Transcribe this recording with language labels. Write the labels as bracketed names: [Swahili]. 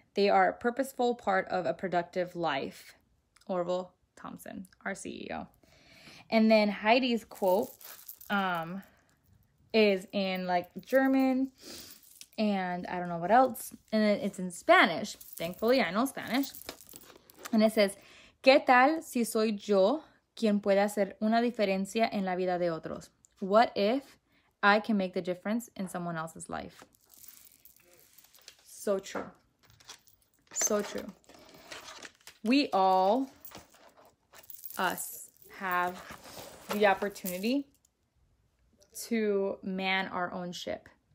[English] They are a purposeful part of a productive life." Orville Thompson, our CEO. And then Heidi's quote is in like German, and I don't know what else. And it's in Spanish. Thankfully, I know Spanish. And it says, [Spanish] ¿Qué tal si soy yo quien puede hacer una diferencia en la vida de otros? [English] What if I can make the difference in someone else's life? So true. So true. We all, us, have the opportunity to man our own ship.